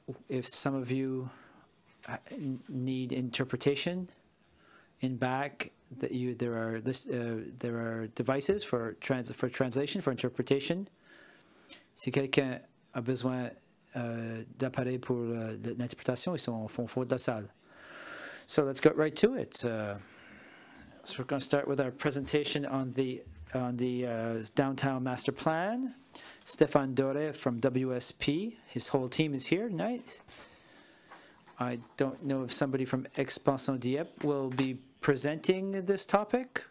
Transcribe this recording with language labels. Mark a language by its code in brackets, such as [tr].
[en] If some of you need interpretation in back, there are devices for translation, for interpretation. [fr] Si quelqu'un a besoin d'appareil pour l'interprétation, ils sont au fond de la salle. [en] So let's get right to it. So we're going to start with our presentation on the downtown master plan. Stéphane Doré from WSP, his whole team is here tonight. I don't know if somebody from Expansion Dieppe will be presenting this topic.